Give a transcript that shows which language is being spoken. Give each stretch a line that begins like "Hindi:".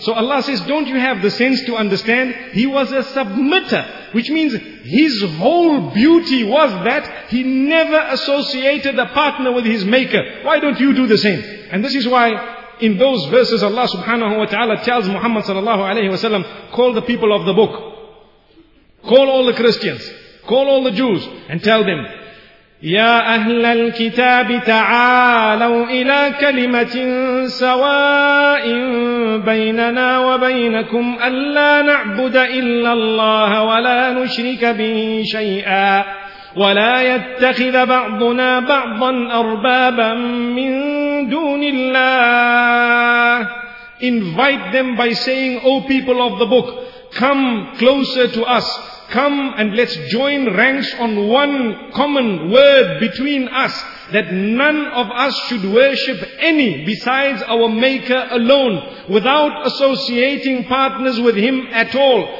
English: So Allah says, don't you have the sense to understand? He was a submitter, which means his whole beauty was that he never associated a partner with his maker. Why don't you do the same? And this is why in those verses Allah subhanahu wa ta'ala tells Muhammad sallallahu alayhi wa sallam, call the people of the book, call all the Christians, call all the Jews, and tell them,
Arabic: Ya أهل الكتاب تعالوا إلى كلمة سواء بيننا وبينكم ألا نعبد إلا الله ولا نشرك به شيئا ولا يتخذ بعضنا بعضا أربابا من دون الله.
English: Invite them by saying, O people of the book, come closer to us. Come and let's join ranks on one common word between us, that none of us should worship any besides our Maker alone, without associating partners with Him at all.